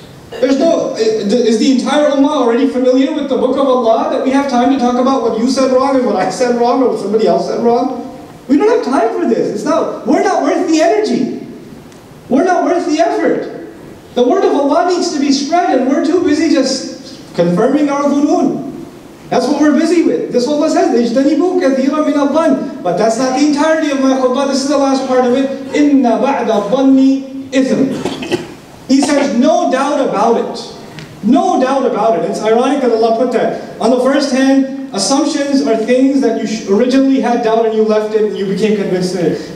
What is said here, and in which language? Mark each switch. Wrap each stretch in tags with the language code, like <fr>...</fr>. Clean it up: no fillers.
<en>Is the entire Ummah already familiar with the Book of Allah that we have time to talk about what you said wrong and what I said wrong or what somebody else said wrong? We don't have time for this. We're not worth the energy. We're not worth the effort. The word of Allah needs to be spread, and we're too busy just confirming our dhunun. That's what we're busy with. This Allah says,</en> <ar>اجتنبوا كثيرا من الظن.</ar> <en>But that's not the entirety of my khutbah. This is the last part of it.</en> <ar>إِنَّ بَعْدَ الظَّنِّ إِثْمٍ.</ar> <en>He says, no doubt about it. No doubt about it. It's ironic that Allah put that. On the first hand, assumptions are things that you originally had doubt and you left it and you became convinced in it.</en>